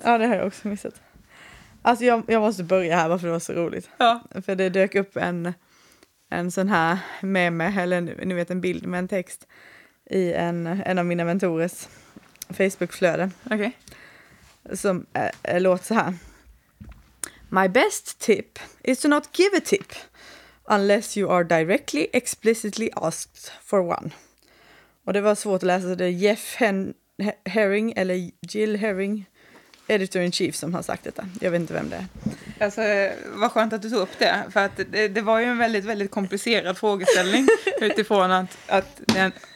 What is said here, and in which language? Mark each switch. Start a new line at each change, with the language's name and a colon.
Swedish: Ja, det har jag också missat. Alltså jag måste börja här, varför det var så roligt. Ja. För det dök upp en sån här meme, eller ni vet, en bild med en text i en av mina mentores Facebook-flöde. Okej. Okay. Som låter så här.
English: My best tip is to not give a tip unless you are directly explicitly asked for one.
Swedish: Och det var svårt att läsa, så det är Jeff Herring, eller Jill Herring, editor-in-chief, som har sagt detta. Jag vet inte vem det är. Alltså, vad skönt att du tog upp det, för att det var ju en väldigt, väldigt komplicerad frågeställning utifrån att den...